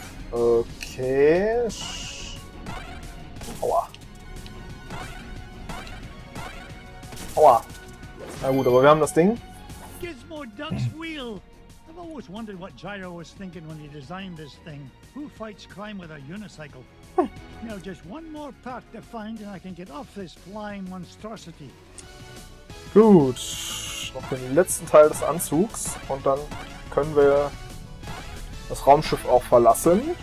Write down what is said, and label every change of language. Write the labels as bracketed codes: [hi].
[de] Okay. Aua. Aua. Na gut, aber wir haben das Ding. [en] Gizmo Duck's Wheel. I've always wondered what Gyro was thinking when he designed this thing. Who fights crime with a unicycle? Now just one more part to find and I can get off this flying monstrosity. [de] Gut. Noch den letzten Teil des Anzugs und dann können wir das Raumschiff auch verlassen.